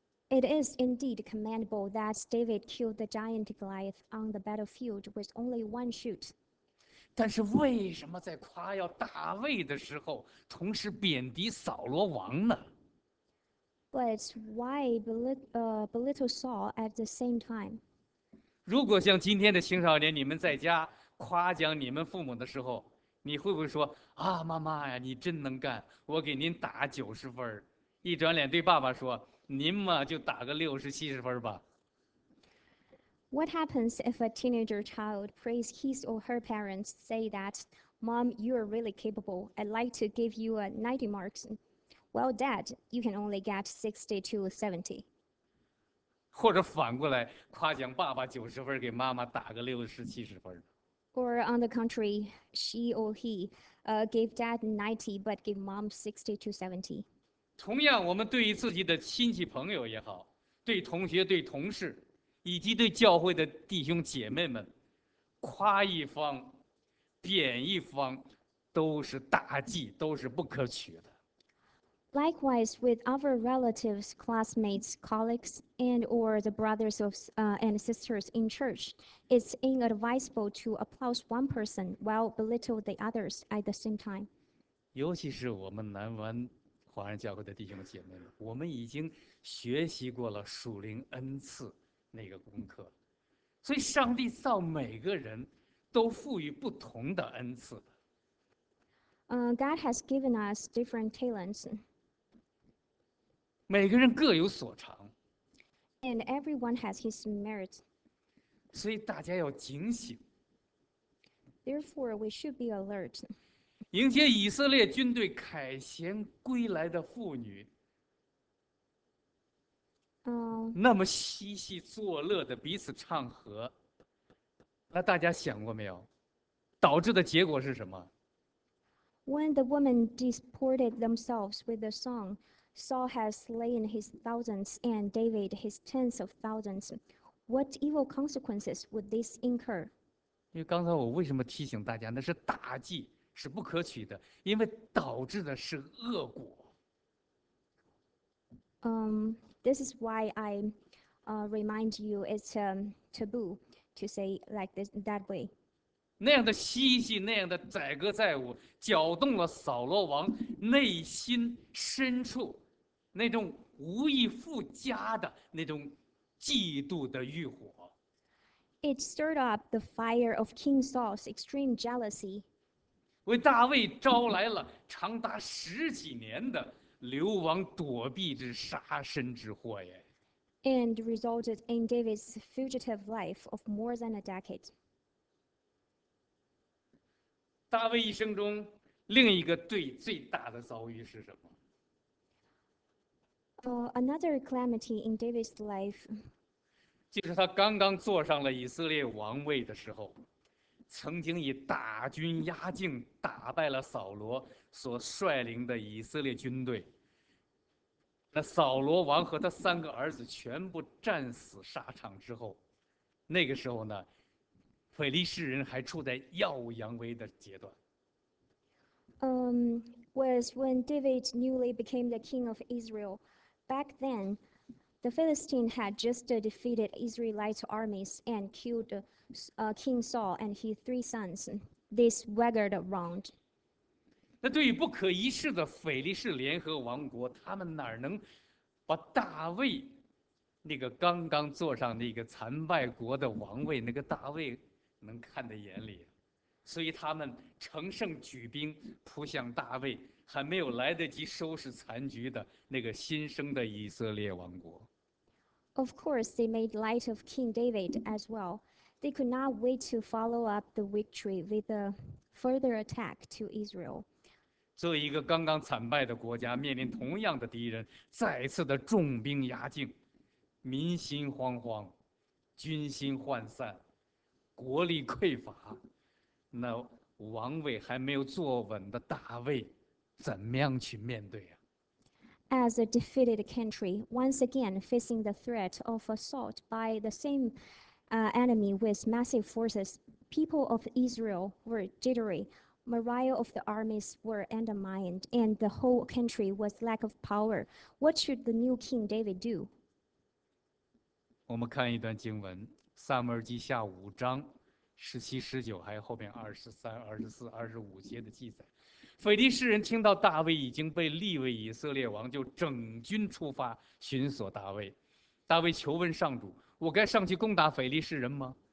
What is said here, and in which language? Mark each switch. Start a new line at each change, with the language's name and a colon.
English: It is indeed commendable that David killed the giant Goliath on the battlefield with only one shoot.
Chinese: 但是为什么在夸耀大卫的时候，同时贬低扫罗王呢？
English: But why belittle Saul at the same time?
Chinese: 如果像今天的青少年，你们在家。夸奖你们父母的时候，你会不会说啊，妈妈呀，你真能干，我给您打90分。一转脸对爸爸说，您嘛就打个60-70分吧。
English: What happens if a teenager child praises his or her parents, say that, "Mom, you are really capable. I'd like to give you a 90 marks. Well, Dad, you can only get 60 to 70."
Chinese: 或者反过来夸奖爸爸90分，给妈妈打个60-70分。
English: Or on the contrary, she or he gave dad 90, but gave mom 60 to 70.
Chinese: 同样，我们对于自己的亲戚朋友也好，对同学、对同事，以及对教会的弟兄姐妹们，夸一方，贬一方，都是大忌，都是不可取的。
English: Likewise, with our relatives, classmates, colleagues, and/or the brothers of, and sisters in church, it's inadvisable to applaud one person while belittle the others at the same time.
Chinese: 尤其是我们南湾华人教会的弟兄姐妹们，我们已经学习过了属灵恩赐那个功课，所以上帝造每个人都赋予不同的恩赐的。
English: God has given us different talents.
Chinese: 每个人各有所长。
English: And everyone has his merits.
Chinese: 所以大家要警醒。
English: Therefore, we should be alert.
Chinese: 迎接以色列军队凯旋归来的妇女。那么嬉戏作乐的彼此唱和。那大家想过没有？导致的结果是什么？
English: When the women disported themselves with the song, Saul has slain his thousands and David his tens of thousands, what evil consequences would this incur?
Chinese: 因为刚才我为什么提醒大家，那是大忌，是不可取的，因为导致的是恶果。
English: This is why I remind you it's taboo to say like this that way.
Chinese: 那样的嬉戏，那样的载歌载舞，搅动了扫罗王内心深处那种无以复加的那种嫉妒的欲火。
English: It stirred up the fire of King Saul's extreme jealousy.
Chinese: 为大卫招来了长达十几年的流亡躲避之杀身之祸耶。
English: And resulted in David's fugitive life of more than a decade.
Chinese: 大卫一生中另一个最最大的遭遇是什么？
English: Another calamity in David's life.
Chinese: 就是他刚刚坐上了以色列王位的时候，曾经以大军压境打败了扫罗所率领的以色列军队。那扫罗王和他三个儿子全部战死沙场之后，那个时候呢？腓力士人还处在耀武扬威的阶段。
English: Was when David newly became the king of Israel. Back then, the Philistine had just defeated Israelite armies and killed King Saul and his three sons. This waggered around.
Chinese: 那对于不可一世的腓力士联合王国，他们哪能把大卫那个刚刚坐上那个残败国的王位，那个大卫？能看得眼里，所以他们乘胜举兵扑向大卫，还没有来得及收拾残局的那个新生的以色列王国。
English: Of course, they made light of King David as well. They could not wait to follow up the victory with a further attack to Israel.
Chinese: 作为一个刚刚惨败的国家，面临同样的敌人，再次的重兵压境，民心惶惶，军心涣散。国力匮乏，那王位还没有坐稳的大卫，怎么样去面对啊？
English: As a defeated country, once again facing the threat of assault by the same enemy with massive forces, people of Israel were jittery, morale of the armies were undermined, and the whole country was lack of power. What should the new king David do?
Chinese: 我们看一段经文。撒母耳记下五章十七十九还有后面二十三二十四二十五节的记载，腓力士人听到大卫已经被立为以色列王，就整军出发寻索大卫。大卫求问上主，我该上去攻打腓力士人吗？